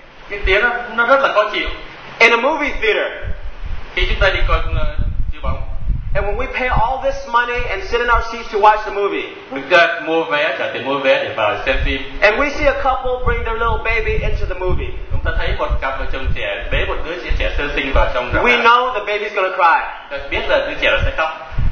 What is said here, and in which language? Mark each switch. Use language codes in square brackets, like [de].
[vi] Cái tiếng nó rất là khó chịu. [en] In a movie theater. [vi] Khi chúng ta đi coi chiếu bóng. [en] And when we pay all this money and sit in our seats to watch the movie. We got [vi] mua vé, trả tiền mua vé để vào xem phim. [en] And we see a couple bring their little baby into the movie. [vi] Chúng ta thấy một cặp vợ chồng trẻ bế một đứa trẻ sơ sinh vào trong [en] rạp. We know the baby's gonna cry. [vi] Ta biết là đứa trẻ nó sẽ khóc.